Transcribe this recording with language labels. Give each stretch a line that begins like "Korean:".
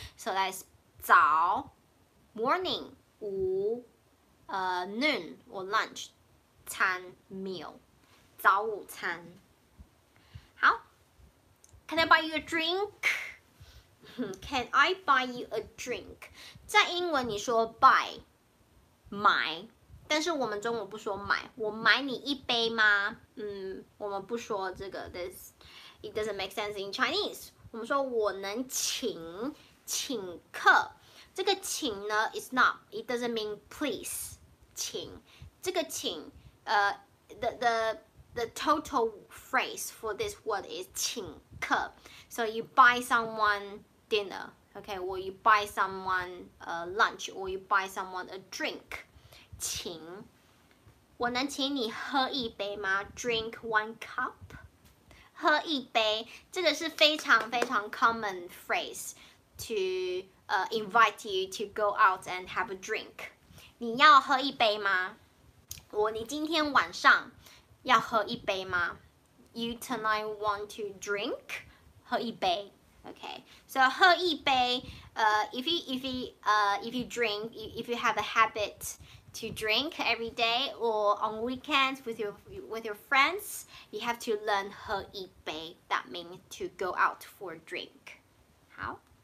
English: So that's 早, morning, 午, noon or lunch, 餐, meal, 早午餐. 好, can I buy you a drink? Can I buy you a drink?
Chinese: 在英文你说 buy, 买, 但是我们中文不说买, 我买你一杯吗? 我们不说这个,
English: this, it doesn't make sense in Chinese.
Chinese: 我们说我能请, 请客, 这个请呢,
English: it's not, it doesn't mean please,
Chinese: 请, 这个请,
English: the total phrase for this word is
Chinese: 请客.
English: So you buy someone dinner, okay, or you buy someone lunch, or you buy someone a drink.
Chinese: 请, 我能请你喝一杯吗?
English: Drink one cup.
Chinese: 喝一杯, 这个是非常非常 common phrase.
English: to invite you to go out and have a drink.
Chinese: 你要喝一杯吗？我，你今天晚上要喝一杯吗？
English: You tonight want to drink? 喝一杯。 Okay, so 喝一杯, if you drink, if you have a habit to drink every day or on weekends with your friends, you have to learn 喝一杯, that means to go out for a drink. How?